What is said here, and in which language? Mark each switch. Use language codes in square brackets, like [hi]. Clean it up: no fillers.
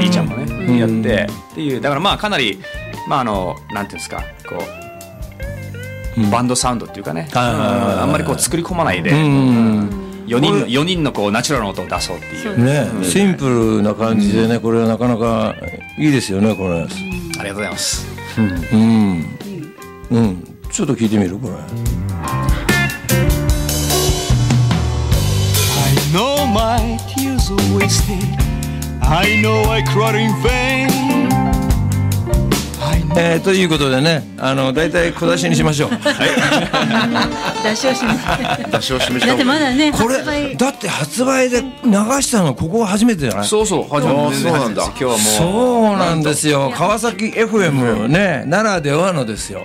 [ja] リーちゃんもね、うん、やってっていう、だからまあかなり、まあ、なんていうんですか、こう、うん、バンドサウンドっていうかね、あ、あんまりこう作り込まないで、うんうん、 4人のこうナチュラルな音を出そうっていう、ね、シンプルな感じでね、これはなかなかいいですよね、これ、ありがとうございます。うん、うん、ちょっと聞いてみるこれ。 [en] I know my tears are wasted. I know I cried in vain. [ja] ということでね、だいたい小出しにしましょう。出しをしましょう。出しをしましょう。だってまだね、これ発売だって発売で流したのここは初めてじゃない？そうそう、初めて。そうなんだ。今日はもうそうなんですよ。川崎 FM ね、ならではのですよ。